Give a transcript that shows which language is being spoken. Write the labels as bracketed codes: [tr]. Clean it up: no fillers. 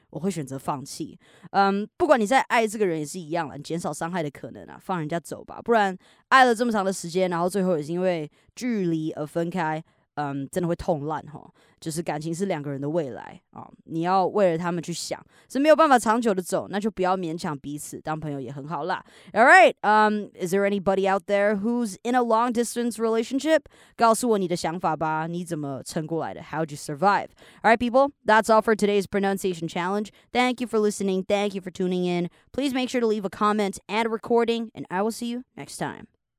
[zh] 我会选择放弃。不管你再爱这个人也是一样啦，减少伤害的可能啊，放人家走吧。不然爱了这么长的时间，然后最后也是因为距离而分开，真的会痛烂齁。就是感情是两个人的未来啊，你要为了他们去想，是没有办法长久的走，那就不要勉强彼此，当朋友也很好啦。 [en] All right, is there anybody out there who's in a long distance relationship? [zh] 告诉我你的想法吧，你怎么撑过来的？ [en] How'd you survive? All right, people, that's all for today's pronunciation challenge. Thank you for listening. Thank you for tuning in. Please make sure to leave a comment and a recording, and I will see you next time.